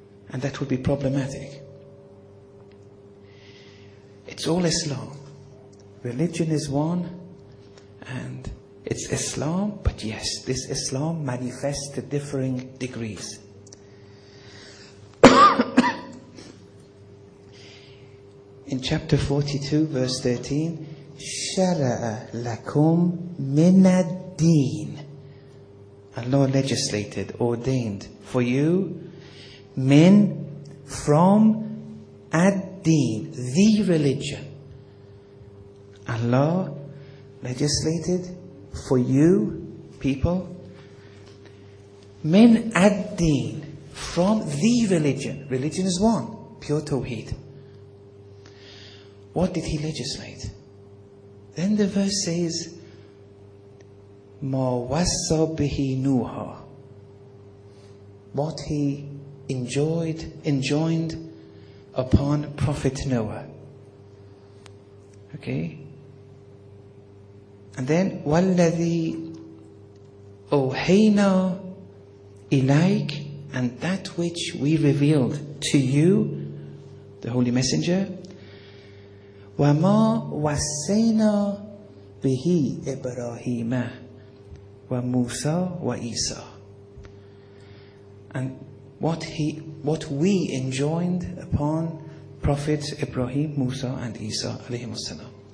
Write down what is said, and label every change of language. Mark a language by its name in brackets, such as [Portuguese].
[English] And that would be problematic. It's all Islam. Religion is one, and it's Islam, but yes, this Islam manifests to differing degrees. In chapter 42, verse 13, [Arabic] شَرَعَ لَكُمْ مِنَ الدِّينِ. [English] Allah legislated, ordained for you, min, from, ad-deen, the religion. Allah legislated for you, people, min ad-deen, from the religion. Religion is one, pure tawheed. What did he legislate? Then the verse says, [Arabic] مَا وَصَّى بِهِ نُوحًا. [English] What he enjoined upon Prophet Noah. Okay? And then, [Arabic] وَالَّذِي أَوْحَيْنَا إِلَيْكَ. [English] And that which we revealed to you, the Holy Messenger. [Arabic] وَمَا وَصَّيْنَا بِهِ إِبْرَاهِيمَ وَمُوسَى وَإِيسَى. [English] And what we enjoined upon Prophet Ibrahim, Musa, and Isa alayhi wasalam.